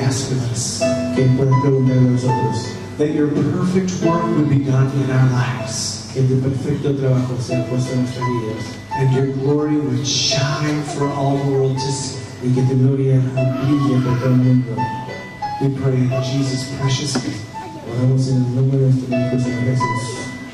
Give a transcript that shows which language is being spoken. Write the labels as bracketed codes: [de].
[en] That your perfect work would be done in our lives. [es] Que tu perfecto trabajo sea puesto en nuestras vidas. [en] And your glory would shine for all the world to see. [es] Y que tu gloria brille para todo el mundo. [en] We pray in Jesus' precious name. [es] Oramos en el nombre de nuestro Señor Jesús.